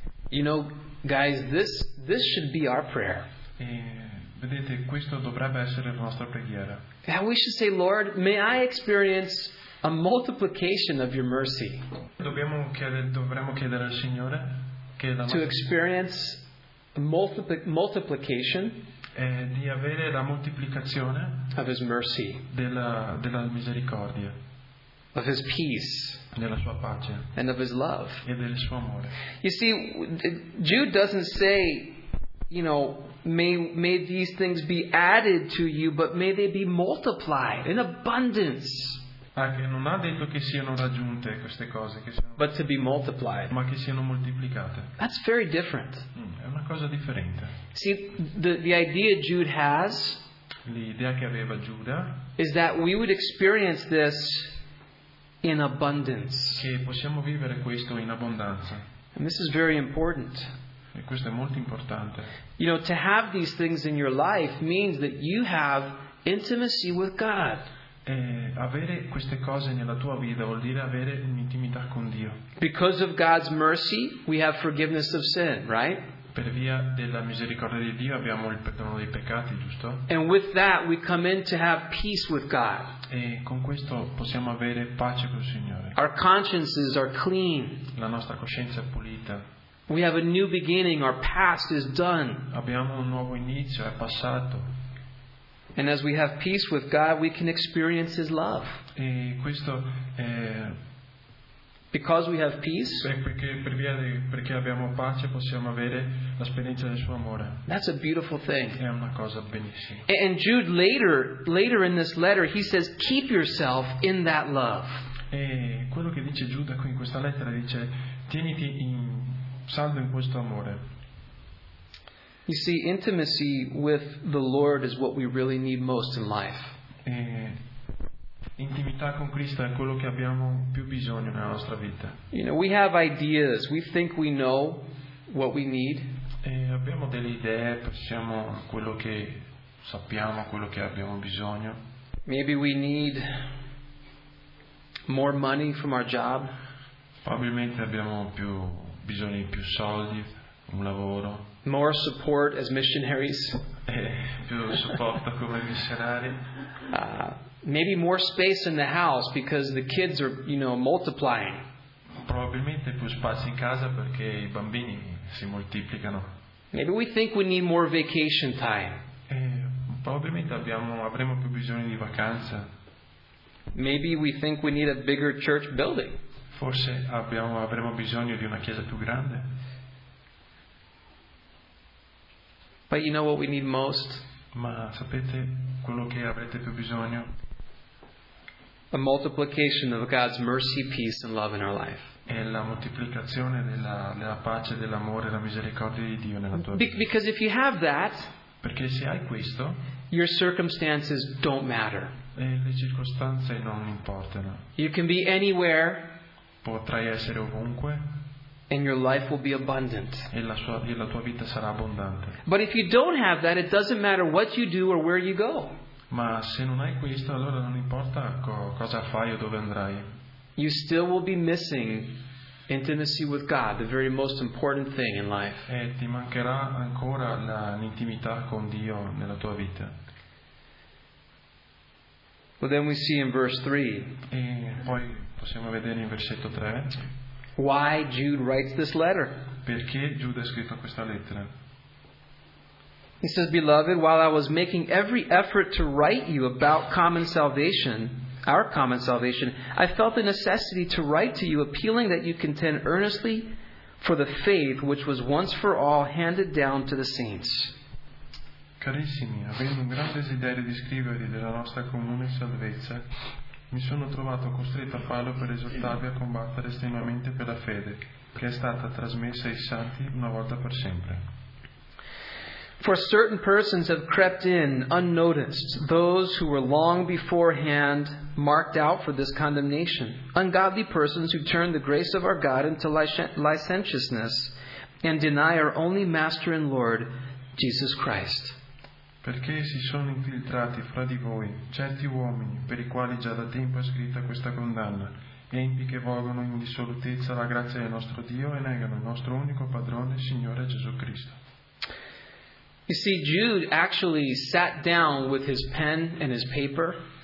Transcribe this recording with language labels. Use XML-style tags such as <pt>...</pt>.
<en>You know, guys, this should be our prayer.</en> <it>E vedete, questo dovrebbe essere la nostra preghiera.</it> <en>And we should say, Lord, may I experience a multiplication of your mercy.</en> <it>Dovremmo chiedere al Signore che la</it> <en>to experience multiplication.</en> <it>Di avere la moltiplicazione</it> <en>of his mercy.</en> <it>Della misericordia.</it> <en>Of his peace.</en> <it>Della sua pace.</it> <en>And of his love.</en> <it>E del suo amore.</it> <en>You see, Jude doesn't say, you know, may these things be added to you, but may they be multiplied in abundance.</en> <it>Non ha detto che siano raggiunte queste cose, che siano,</it> <en>but to be multiplied.</en> <it>Ma che siano moltiplicate.</it> <en>That's very different.</en> <it>È una cosa differente.</it> <en>See, the idea Jude has,</en> <it>l'idea che aveva Giuda,</it> <en>is that we would experience this in abundance.</en> <it>Che possiamo vivere questo in abbondanza.</it> <en>And this is very important.</en> <it>E questo è molto importante.</it> <en>You know, to have these things in your life means that you have intimacy with God.</en> <it>E avere queste cose nella tua vita vuol dire avere un'intimità con Dio.</it> <en>Because of God's mercy, we have forgiveness of sin, right?</en> <it>Per via della misericordia di Dio abbiamo il perdono dei peccati, giusto?</it> <en>And with that we come in to have peace with God.</en> <it>E con questo possiamo avere pace col Signore.</it> <en>Our consciences are clean.</en> <it>La nostra coscienza è pulita.</it> <en>We have a new beginning. Our past is done.</en> <it>Abbiamo un nuovo inizio, è passato.</it> <en>And as we have peace with God, we can experience His love.</en> <it>E questo è</it> <en>because we have peace.</en> <it>Perché abbiamo pace, possiamo avere l'esperienza del suo amore.</it> <en>That's a beautiful thing.</en> <it>È una cosa benissima.</it> <en>And Jude later in this letter, he says, "Keep yourself in that love."</en> <it>E quello che dice Giuda qui in questa lettera dice, tieniti in saldo in questo amore.</it> <en>You see, intimacy with the Lord is what we really need most in life.</en> <it>Intimità con Cristo è quello che abbiamo più bisogno nella nostra vita.</it> <en>You know, we have ideas. We think we know what we need.</en> <it>Abbiamo delle idee, pensiamo a quello che sappiamo, quello che abbiamo bisogno.</it> <en>Maybe we need more money from our job.</en> <it>Probabilmente abbiamo più bisogno di più soldi, un lavoro.</it> <en>More support as missionaries.</en> <it>Più supporto come missionari.</it> <en>Maybe more space in the house because the kids are, you know, multiplying.</en> <it>Probabilmente più spazio in casa perché i bambini si moltiplicano.</it> <en>Maybe we think we need more vacation time.</en> <it>Probabilmente avremo più bisogno di vacanza.</it> <en>Maybe we think we need a bigger church building.</en> <it>Forse avremo bisogno di una chiesa più grande.</it> <en>But you know what we need most?</en> <it>Ma sapete quello che avrete più bisogno?</it> <en>A multiplication of God's mercy, peace, and love in our life.</en> <it>È la moltiplicazione della pace, dell'amore, della misericordia di Dio nella tua vita.</it> <en>Because if you have that,</en> <it>perché se hai questo,</it> <en>your circumstances don't matter.</en> <it>Le circostanze non importano.</it> <en>You can be anywhere.</en> <it>Potrai essere ovunque.</it> <en>and your life will be abundant.</en> <it>E la tua vita sarà abbondante.</it> <en>But if you don't have that, it doesn't matter what you do or where you go.</en> <it>Ma se non hai questo, allora non importa cosa fai o dove andrai.</it> <en>You still will be missing intimacy with God, the very most important thing in life.</en> <it>E ti mancherà ancora l'intimità con Dio nella tua vita.</it> <en>But then we see in verse 3.</en> <it>E poi possiamo vedere in versetto 3.</it> <en>Why Jude writes this letter?</en> <it>Perché Giuda ha scritto questa lettera?</it> <en>He says, "Beloved, while I was making every effort to write you about common salvation, our common salvation, I felt the necessity to write to you, appealing that you contend earnestly for the faith which was once for all handed down to the saints."</en> <it>Carissimi, avendo un gran desiderio di scrivervi della nostra comune salvezza, mi sono trovato costretto a farlo per esortarvi a combattere estremamente per la fede, che è stata trasmessa ai santi una volta per sempre.</it> <en>For certain persons have crept in unnoticed, those who were long beforehand marked out for this condemnation, ungodly persons who turn the grace of our God into licentiousness and deny our only Master and Lord, Jesus Christ.</en> <it>Perché si sono infiltrati fra di voi certi uomini per i quali già da tempo è scritta questa condanna, empi che volgono in dissolutezza la grazia del nostro Dio e negano il nostro unico padrone, Signore Gesù Cristo.</it> <en>You see, Jude actually sat down with his pen and his paper.</en>